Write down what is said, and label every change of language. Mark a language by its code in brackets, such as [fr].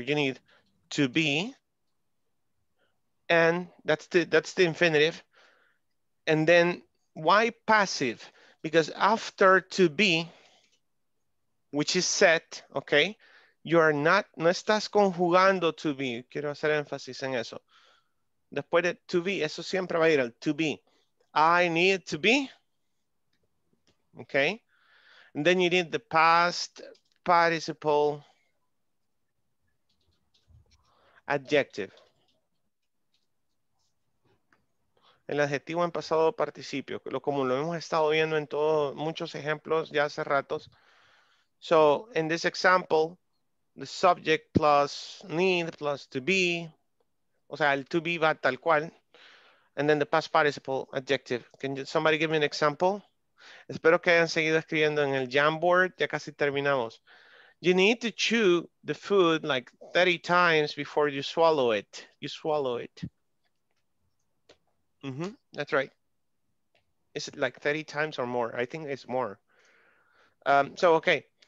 [en] You need to be, and that's the infinitive. And then why passive? Because after to be, which is set, okay, you are not, [es] no estás conjugando [en] to be. [es] Quiero hacer énfasis en eso. Después de to be, eso siempre va a ir al to be. [en] I need to be, okay? And then you need the past participle adjective. [es] El adjetivo en pasado participio, como lo hemos estado viendo en todos muchos ejemplos ya hace ratos. [en] So in this example, the subject plus need plus to be, [es] o sea, el to be va tal cual. [en] And then the past participle adjective. Can somebody give me an example? [es] Espero que hayan seguido escribiendo en el Jamboard. Ya casi terminamos. [en] You need to chew the food like 30 times before you swallow it. You swallow it. Mm-hmm. That's right. Is it like 30 times or more? I think it's more. So, okay.